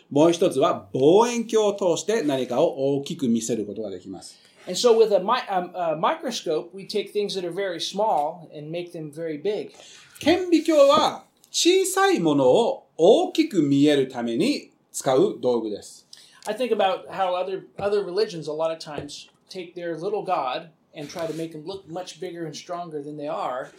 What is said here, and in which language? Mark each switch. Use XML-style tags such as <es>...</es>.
<ja>もう一つは望遠鏡を通して何かを大きく見せることができます。</ja> <en>And so with a microscope, we take things that are very small and make them very big.</en> <ja>顕微鏡は小さいものを大きく見えるために使う道具です。</ja> <en>I think about how other religions a lot of times take their little god and try to make them look much bigger and stronger than they are.</en>